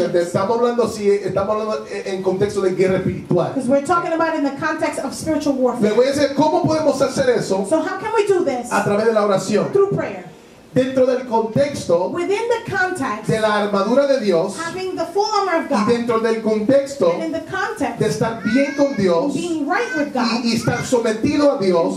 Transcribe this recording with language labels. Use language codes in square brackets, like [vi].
[es] porque estamos hablando en contexto de guerra espiritual. [en] Because we're talking about in the context of spiritual warfare. [es] Le voy a decir cómo podemos hacer eso. [en] So how can we do this? [es] A través de la oración. [en] Through prayer. [es] dentro del contexto [en] within the context [es] de la armadura de Dios, [en] having the full armor of God, [es] y dentro del contexto [en] and in the context [es] de estar bien con Dios, [en] being right with God, [es] y estar sometido a Dios,